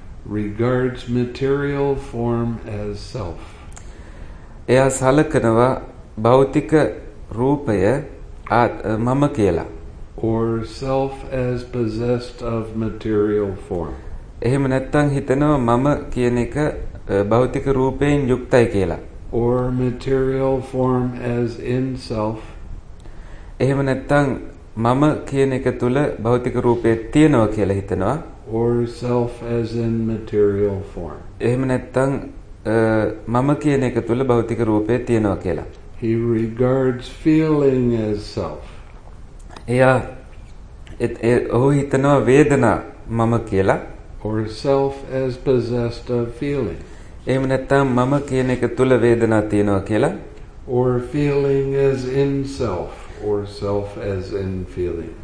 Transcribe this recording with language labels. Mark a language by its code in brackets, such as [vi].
[en] regards material form as self [si] එයා සලකනවා භෞතික රූපය මම කියලා [en] or self as possessed of material form [si] එහෙම නැත්නම් හිතනවා මම කියන එක භෞතික රූපයෙන් යුක්තයි කියලා [en] or material form as in self [si] එහෙම නැත්නම් මම කියන එක තුල භෞතික රූපේ තියෙනවා කියලා හිතනවා [en] or self as in material form [si] එහෙම නැත්නම් මම කියන එක තුල භෞතික රූපේ තියෙනවා කියලා [en] he regards feeling as self [si] එයා ඔහු හිතනවා වේදනා මම කියලා [en] or self as possessed of feeling [si] එහෙම නැත්නම් මම කියන එක තුල වේදනා තියෙනවා කියලා [en] or feeling as in self or self as in feeling